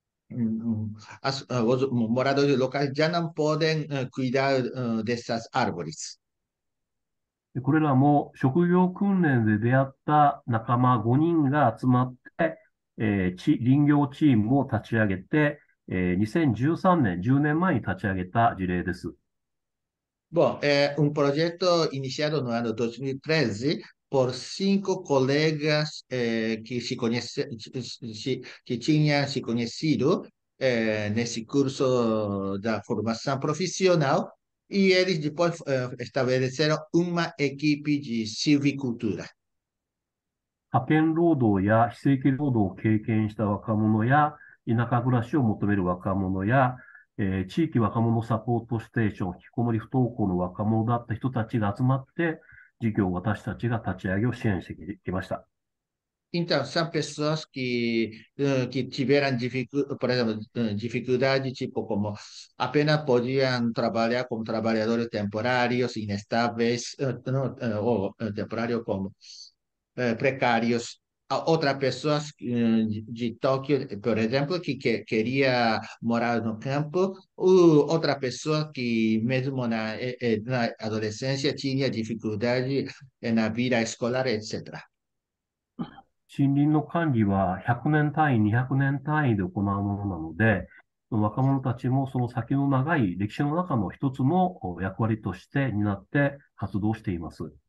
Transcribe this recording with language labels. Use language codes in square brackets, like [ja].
[pt] Os moradores locais já não podem cuidar dessas árvores. [ja] これらも職業訓練で出会った仲間5人が集まって、林業チームを立ち上げて、2013年、10年前に立ち上げた事例です。 [pt] Bom, é um projeto iniciado no ano 2013 por cinco colegas que se conhece, que tinham se conhecido nesse curso da formação profissional e eles depois estabeleceram uma equipe de silvicultura. [ja] 派遣労働や非正規労働を経験した若者や、田舎暮らしを求める若者や、地域若者サポートステーション、引きこもり不登校の若者だった人たちが集まって、事業を私たちが立ち上げを支援してきました。 [pt] Então, são pessoas que tiveram, por exemplo, dificuldade, tipo, como apenas podiam trabalhar como trabalhadores temporários, inestáveis, ou temporários como precários. Outras pessoas de Tóquio, por exemplo, que queria morar no campo, ou outra pessoa que, mesmo na adolescência, tinha dificuldade na vida escolar, etc. [ja] 森林の管理は100年単位、200年単位で行うものなので、若者たちもその先の長い歴史の中の一つの役割として担って活動しています。